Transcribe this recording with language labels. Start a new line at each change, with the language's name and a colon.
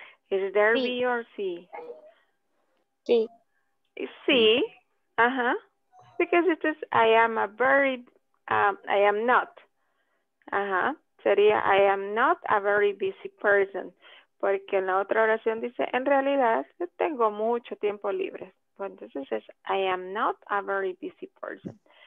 English: Is there B or C? C. Because it is, I am a very, I am not.
Spanish: Sería,
English: I am not a very busy person.
Spanish: Porque en la otra oración dice, en realidad, tengo mucho tiempo libre. Entonces es,
English: I am not a very busy person.